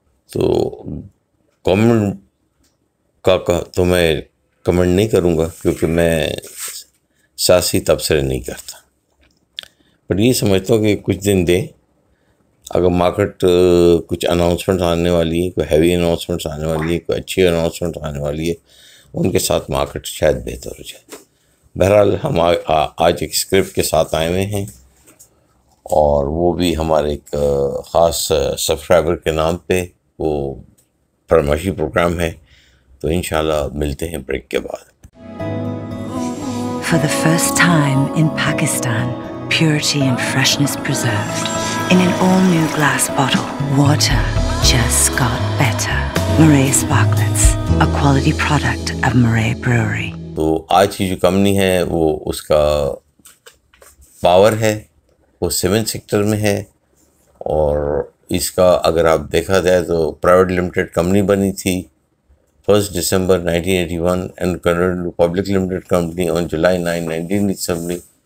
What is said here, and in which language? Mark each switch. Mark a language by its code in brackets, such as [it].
[ur] تو گورنمنٹ کا تو میں کمنٹ نہیں کروں گا کیونکہ میں سیاسی تبصرے نہیں کرتا, بٹ یہ سمجھتا ہوں کہ کچھ دن دیں, اگر مارکیٹ کچھ اناؤنسمنٹ آنے والی ہیں, کوئی ہیوی اناؤنسمنٹس آنے والی ہے, کوئی اچھی اناؤنسمنٹ آنے والی ہے, ان کے ساتھ مارکیٹ شاید بہتر ہو جائے. بہرحال ہم آج ایک اسکرپٹ کے ساتھ آئے ہوئے ہیں, اور وہ بھی ہمارے ایک خاص سبسکرائبر کے نام پہ, وہ فرمائشی پروگرام ہے. تو انشاءاللہ ملتے ہیں بریک کے بعد. [en] For the first time in Pakistan, purity and freshness preserved. In an all-new glass bottle, water just got better. Murray Sparklets, a quality product of Murray Brewery. [ur] تو آج کی جو کمپنی ہے وہ اس کا پاور ہے, وہ سیمنٹ سیکٹر میں ہے, اور اس کا اگر آپ دیکھا جائے تو پرائیویٹ لمیٹ�ڈ کمپنی بنی تھی [en] 1st December 1981, and Canada Public Limited Company on July 9, 1987.